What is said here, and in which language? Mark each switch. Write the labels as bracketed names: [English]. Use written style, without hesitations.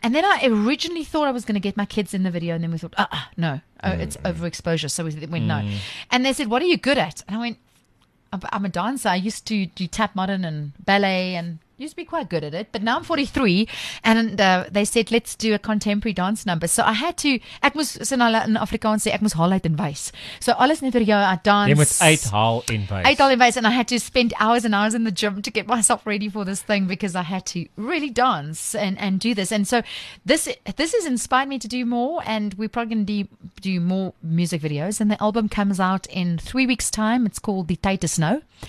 [English] And then I originally thought I was going to get my kids in the video. And then we thought, it's overexposure. So we went, no. And they said, what are you good at? And I went, I'm a dancer. I used to do tap modern and ballet and used to be quite good at it. But now I'm 43. And they said, let's do a contemporary dance number. So I had to, [Afrikaans] ek moes sinala in Afrikaans sê, ek moes haal uit en wys. So alles net vir jou, [English] I dance. [Afrikaans] Jy moet uit haal en wys. Uit haal en wys. [English] And I had to spend hours and hours in the gym to get myself ready for this thing because I had to really dance and do this. And so this has inspired me to do more. And we're probably going to do more music videos. And the album comes out in 3 weeks' time. It's called The Tight as Snow.